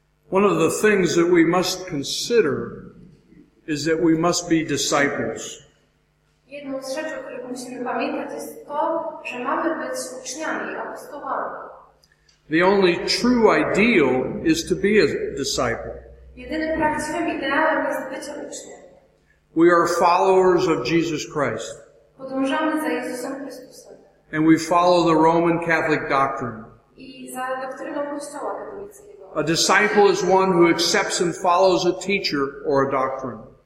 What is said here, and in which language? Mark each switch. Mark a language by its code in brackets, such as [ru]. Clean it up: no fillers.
[en] One of the things that we must consider is that we must be disciples. [pl] Jedną z rzeczy, o której musimy pamiętać, jest to, że mamy być uczniami, apostołami. [en] The only true ideal is to be a disciple. [pl] Jedynym prawdziwym ideałem jest bycie uczniem. [en] We are followers of Jesus Christ. [pl] Podążamy za Jezusem Chrystusem. [en] And we follow the Roman Catholic doctrine. [pl] I za doktryną Kościoła katolickiego. [en] A disciple is one who accepts and follows a teacher or a doctrine.